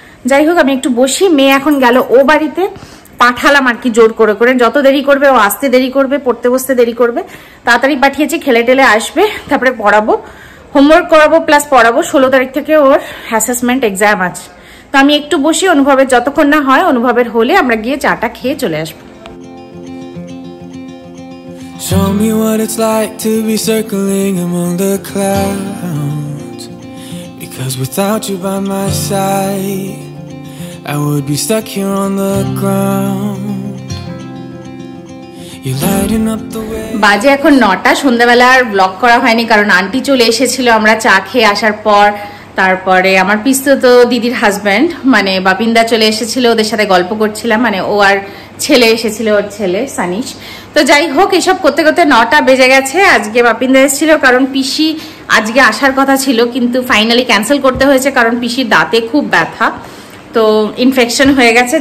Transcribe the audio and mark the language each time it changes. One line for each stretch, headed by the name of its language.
Bangla: যাই হোক, আমি একটু বসি, মেয়ে এখন গেল ও বাড়িতে, পাঠালাম আর কি জোর করে করে, যত দেরি করবে ও আসতে দেরি করবে, পড়তে বসতে দেরি করবে, তাড়াতাড়ি পাঠিয়েছি, খেলে টেলে আসবে, তারপরে পড়াবো, হোমওয়ার্ক করাবো প্লাস পড়াবো, 16 তারিখ থেকে ওর অ্যাসেসমেন্ট এক্সাম আছে। তো আমি একটু বসি, অনুভবের যতক্ষণ না হয়, অনুভবের হলে আমরা গিয়ে চাটা খেয়ে চলে আসবো।
English: Show me what it's like to be circling among the clouds, because without you by my side I would be stuck here on the ground. You lighting up the way.
Bangla: বাজে এখন 9টা, সন্ধ্যাবেলার ব্লগ করা হয়নি কারণ aunty চলে এসেছিল আমরা চা খেয়ে আসার পর। তারপরে আমার পিস্তুত দিদির হাজব্যান্ড মানে বাপিন্দা চলে এসেছিল, ওদের সাথে গল্প করছিলাম, মানে ও আর ছেলে এসেছিল, ওর ছেলে সানিশ। তো যাই হোক, এসব করতে করতে 9টা বেজে গেছে। আজকে বাপিন্দা এসেছিল কারণ পিসি আজকে আসার কথা ছিল, কিন্তু ফাইনালি ক্যান্সেল করতে হয়েছে কারণ পিসির দাঁতে খুব ব্যথা, তো ইনফেকশন হয়ে গেছে।